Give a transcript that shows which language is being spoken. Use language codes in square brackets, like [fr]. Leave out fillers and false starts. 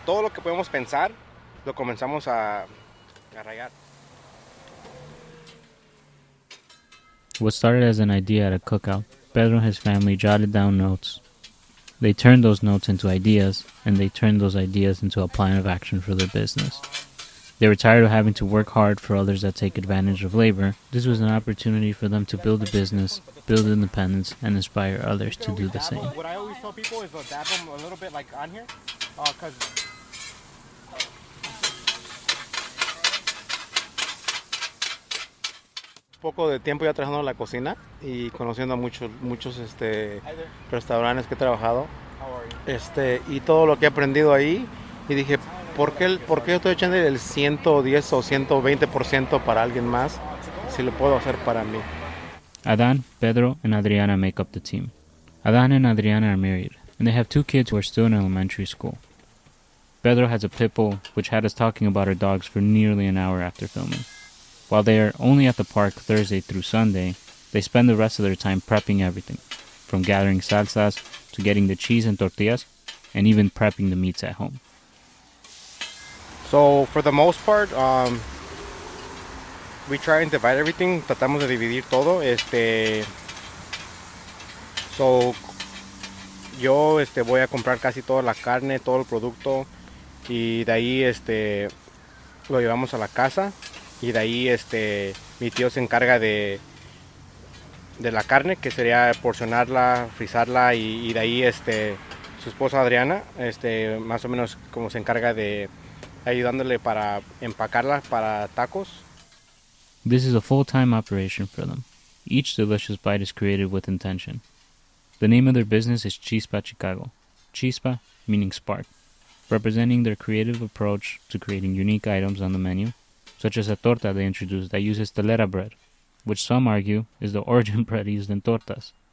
[es] Todo lo que podemos pensar, lo comenzamos a rayar. [en] What started as an idea at a cookout, Pedro and his family jotted down notes. They turned those notes into ideas, and they turned those ideas into a plan of action for their business. They were tired of having to work hard for others that take advantage of labor. This was an opportunity for them to build a business, build independence, and inspire others to do the same. What I always tell people is dab them a little bit like on here. Cause [es] poco de tiempo ya trabajando en la cocina y conociendo a muchos restaurantes que he trabajado. Y todo lo que he aprendido ahí y dije, ¿Por qué estoy echando el 110 o 120% para alguien más si lo puedo hacer para mí? [en] Adán, Pedro, and Adriana make up the team. Adán and Adriana are married, and they have two kids who are still in elementary school. Pedro has a pit bull, which had us talking about our dogs for nearly an hour after filming. While they are only at the park Thursday through Sunday, they spend the rest of their time prepping everything, from gathering salsas to getting the cheese and tortillas, and even prepping the meats at home. So for the most part, we try and divide everything. [es] Tratamos de dividir todo. [en] So [es] yo voy a comprar casi toda la carne, todo el producto, y de ahí lo llevamos a la casa, y de ahí mi tío se encarga de la carne, que sería porcionarla, frizarla, y de ahí su esposa Adriana más o menos como se encarga de ayudándole para empacarla para tacos. [en] This is a full-time operation for them. Each delicious bite is created with intention. The name of their business is Chispa Chicago. Chispa meaning spark, representing their creative approach to creating unique items on the menu, such as a torta they introduced that uses telera bread, which some argue is the origin bread used in tortas.